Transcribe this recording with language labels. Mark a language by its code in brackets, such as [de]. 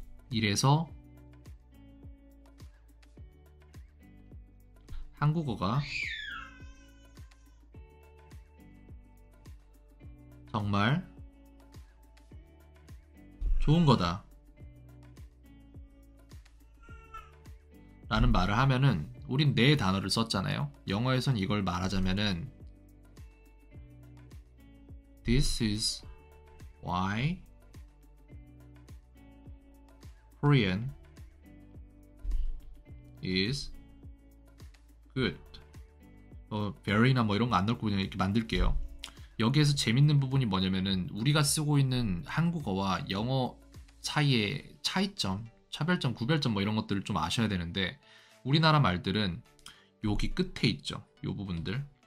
[ko] 이래서 한국어가 정말 좋은 거다 라는 말을 하면은 우린 네 단어를 썼잖아요. 영어에선 이걸 말하자면은 [en] This is why Korean is good. [ko] very나 뭐 이런 거안 넣고 그냥 이렇게 만들게요. 여기에서 재밌는 부분이 뭐냐면은 우리가 쓰고 있는 한국어와 영어 사이의 차이점, 차별점, 구별점 뭐 이런 것들을 좀 아셔야 되는데 우리나라 말들은 여기 끝에 있죠. 요 부분들.